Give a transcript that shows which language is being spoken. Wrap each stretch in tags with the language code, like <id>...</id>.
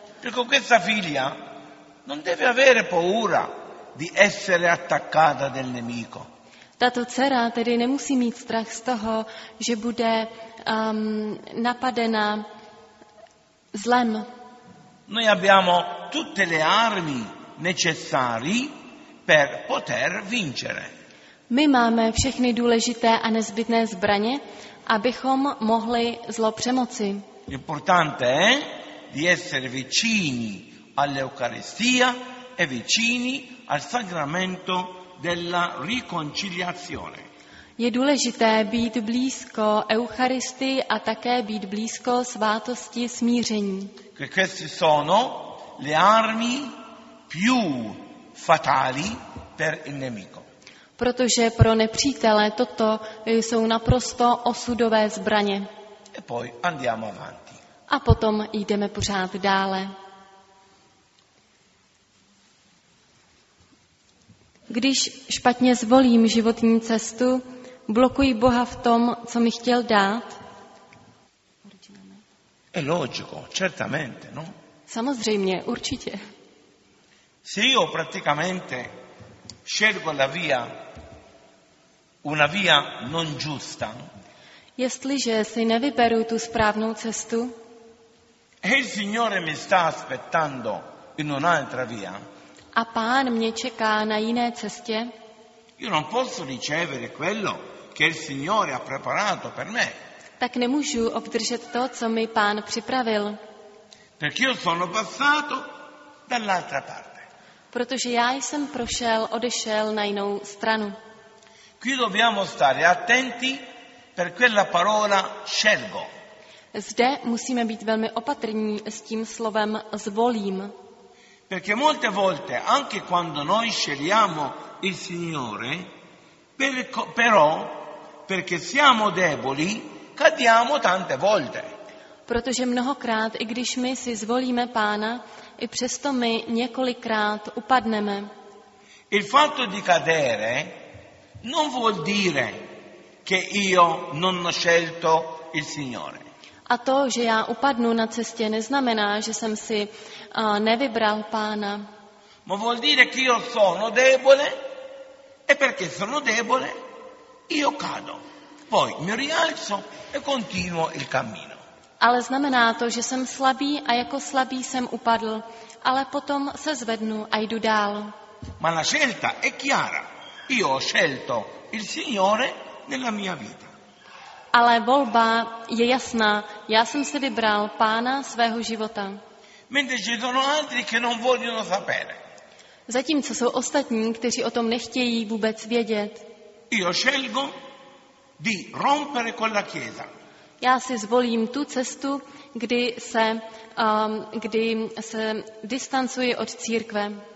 <it>Perché questa figlia non deve avere paura di essere attaccata del nemico.</it> <cs>Tato dcera tedy nemusí mít strach z toho, že bude napadena zlem.</cs> <it>Noi abbiamo tutte le armi necessarie per poter vincere.</it> <cs>My máme všechny důležité a nezbytné zbraně, abychom mohli zlo přemoci.</cs> <it>L'importante è di essere vicini all'Eucaristia e vicini al sacramento della riconciliazione.</it> <cs>Je důležité být blízko Eucharistii a také být blízko svátosti smíření.</cs> <it>Queste sono le armi più fatali per il nemico.</it> <cs>Protože pro nepřítele toto jsou naprosto osudové zbraně.</cs> <it>E poi andiamo avanti.</it> <cs>A potom jdeme pořád dále. Když špatně zvolím životní cestu, blokují Boha v tom, co mi chtěl dát?</cs> <it>È logico, certamente, no?</it> <cs>Samozřejmě, určitě.</cs> <it>Se io praticamente scelgo la via, una via non giusta.</it> <cs>Jestliže si nevyberu tu správnou cestu.</cs> <it>E il Signore mi sta aspettando in un'altra via.</it> <cs>A Pán mě čeká na jiné cestě.</cs> <it>Io non posso ricevere quello che il Signore ha preparato per me.</it> <cs>Tak nemůžu obdržet to, co mi Pán připravil.</cs> <it>Perché io sono passato dall'altra parte.</it> <cs>Protože já jsem prošel, odešel na jinou stranu.</cs> <it>Qui dobbiamo stare attenti per quella parola scelgo.</it> <cs>Zde musíme být velmi opatrní s tím slovem zvolím.</cs> <it>Perché molte volte, anche quando noi scegliamo il Signore, però perché siamo deboli, cadiamo tante volte.</it> <cs>Protože mnohokrát, i když my si zvolíme Pána, i přesto my několikrát upadneme.</cs> <it>Il fatto di cadere non vuol dire che io non ho scelto il Signore.</it> <cs>A to, že já upadnu na cestě, neznamená, že jsem si nevybral Pána.</cs> <it>Ma vuol dire che io sono debole e perché sono debole io cado. Poi mi rialzo e continuo il cammino.</it> <cs>Ale znamená to, že jsem slabý a jako slabý jsem upadl, ale potom se zvednu a jdu dál.</cs> <it>Ma la scelta è chiara. Io ho scelto il Signore nella mia vita.</it> <cs>Ale volba je jasná. Já jsem si vybral Pána svého života.</cs> <it>Mentre ci sono altri che non vogliono sapere.</it> <cs>Zatímco jsou ostatní, kteří o tom nechtějí vůbec vědět.</cs> <it>Io scelgo di rompere con la chiesa.</it> <cs>Já si zvolím tu cestu, kdy se distancuji od církve.</cs>